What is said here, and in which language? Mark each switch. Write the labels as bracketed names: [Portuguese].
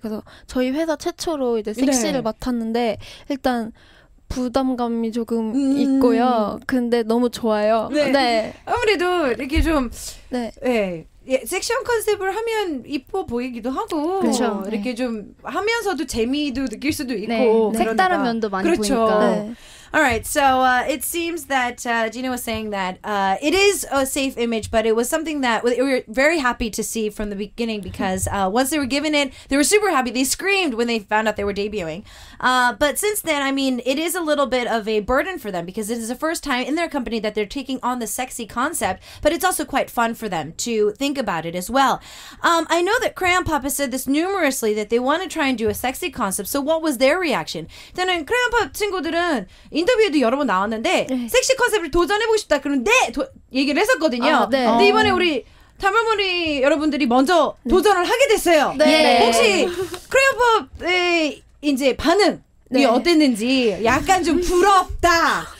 [Korean] 그래서 저희 회사 최초로 이제 섹시를 네. 맡았는데 일단 부담감이 조금 있고요. 근데 너무 좋아요. 네. 네. 아무래도 이렇게 좀 네. 네. 예, 섹션 컨셉을 하면 이뻐 보이기도 하고 그쵸, 이렇게 네. 좀 하면서도 재미도 느낄 수도 있고 네, 색다른 면도 많이 그렇죠. 보이니까 네. [English] Alright, so it seems that Gina was saying that it is a safe image, but it was something that we were very happy to see from the beginning because once they were given it, they were super happy. They screamed when they found out they were debuting. But since then, I mean, it is a little bit of a burden for them because it is the first time in their company that they're taking on the sexy concept, but it's also quite fun for them to think about it as well. I know that Crayon Pop has said this numerously, that they want to try and do a sexy concept. So what was their reaction? [Korean] 저는 Crayon Pop 친구들은 인터뷰에도 여러 번 나왔는데 네. 섹시 컨셉을 도전해보고 싶다 그런 네! 얘기를 했었거든요. 아, 네. 근데 이번에 우리 담물머리 여러분들이 먼저 네. 도전을 하게 됐어요. 네. 네. 혹시 크레오팝의 이제 반응이 네. 어땠는지 약간 좀 부럽다.